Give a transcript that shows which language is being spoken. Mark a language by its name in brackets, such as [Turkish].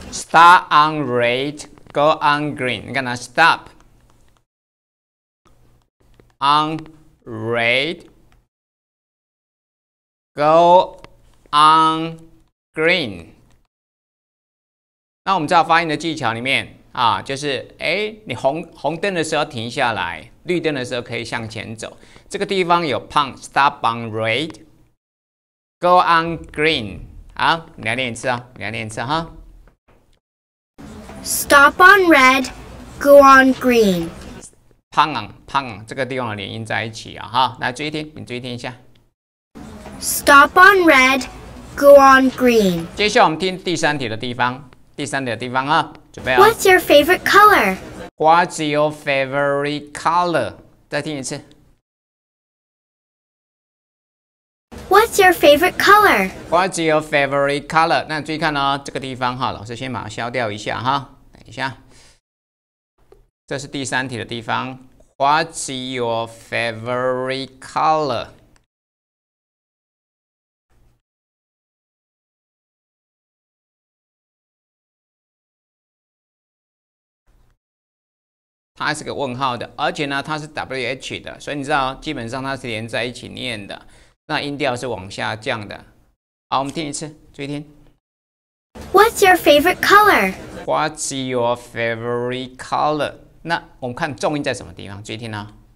[English] Stop on red, go on green。 [Chinese] 你看它 [English] stop on red, go on green。 [Chinese] 那我们知道发音的技巧里面。啊，就是你红灯的时候停下来，绿灯的时候可以向前走。这个地方有 pun [English] stop on red，go on green。 [Chinese] 好，你来念一次啊，你来念一次哈。 [English] Stop on red，go on green。 [Chinese] pun 这个地方的连音在一起啊哈，来注意听，你注意听一下。 [English] Stop on red，go on green。 [Chinese] 接下来我们听第三题的地方，第三题的地方啊。准备哦。 [English] What's your favorite color? What's your favorite color? [Chinese] 再听一次。 [English] What's your favorite color? What's your favorite color? [Chinese] 那注意看哦，这个地方哈，老师先把它消掉一下哈。等一下，这是第三题的地方。 [English] What's your favorite color? [Chinese] 它是个问号的，而且呢，它是 WH 的，所以你知道，基本上它是连在一起念的，那音调是往下降的。好，我们听一次，注意听。 [English] What's your favorite color? What's your favorite color? [Chinese] 那我们看重音在什么地方？注意听啊。